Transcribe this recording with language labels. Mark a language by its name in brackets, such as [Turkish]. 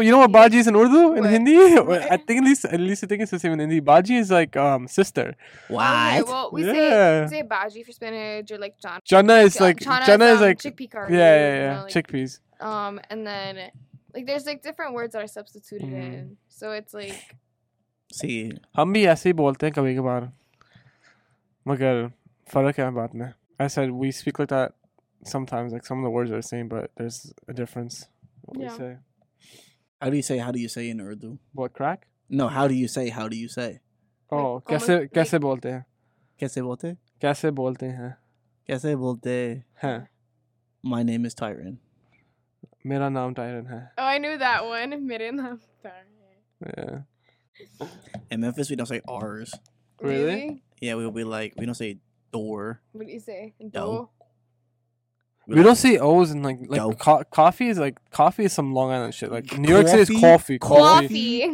[English] You know what bhaji is in Urdu? In what? Hindi? I think at least I think it's the same in Hindi. Bhaji is like sister. What? Okay, well, we say bhaji for spinach or like chana. Chana is like chickpea curry. Yeah, yeah, yeah. You know, like, chickpeas. And then like there's like different words that are substituted in. So it's like. See. [Urdu] ہم بھی ایسے بولتے ہیں کبھی کبھی۔ مگر فرق ہے بات میں۔ [English] I said we speak like that sometimes. Like, some of the words are the same, but there's a difference. What we say. How do you say in Urdu? What, crack? No, how do you say? [Urdu] اوہ، کیسے بولتے ہیں؟ Kaise bolte? کیسے بولتے ہیں؟ Kaise bolte hain? [English] My name is Tyron. [Urdu] میرا نام ٹائرن ہے۔ [English] Oh, I knew that one. [Urdu] Mera naam [English] Tyron. Yeah. In Memphis, we don't say R's. Really? Yeah, we'll be like, we don't say door. What do you say? Door? We don't see O's in like coffee is some Long Island shit. Like, New York City is coffee. Coffee.